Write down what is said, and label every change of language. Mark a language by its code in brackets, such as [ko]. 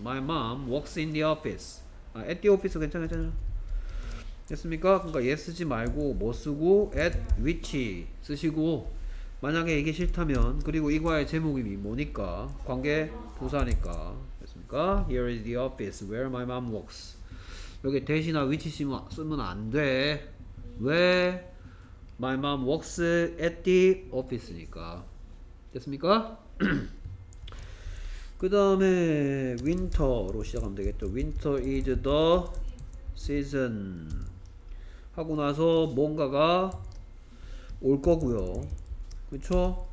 [en] my mom works in the office. 아, at the office [ko] 괜찮아. 됐습니까? 그러니까 얘 쓰지 말고 뭐 쓰고 at which 쓰시고 만약에 이게 싫다면 그리고 이 과의 제목이 뭐니까 관계 부사니까 됐습니까? [en] Here is the office where my mom works. [ko] 여기 대시나 위치 쓰면 안 돼. 왜? [en] My mom works at the office [ko] 니까. 됐습니까? 그 다음에 winter로 시작하면 되겠죠. [en] Winter is the season [ko] 하고 나서 뭔가가 올 거고요. 그쵸?